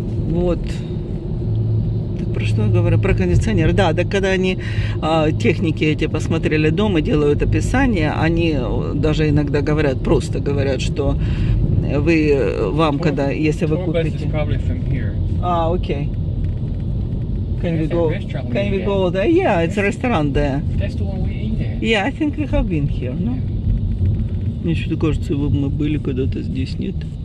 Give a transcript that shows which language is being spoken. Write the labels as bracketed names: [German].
[Russian] Вот. Про что я говорю? Про кондиционер. Да, так когда они, техники эти, посмотрели дом и делают описание, они даже иногда говорят, просто говорят, что вы, вам, когда, если вы купите... [English] А, окей. Can we go there? Yeah, it's a restaurant there. That's the one we're in there. Yeah, I think we have been here, no? Yeah. [Russian] Мне что-то кажется, мы были когда-то здесь, нет?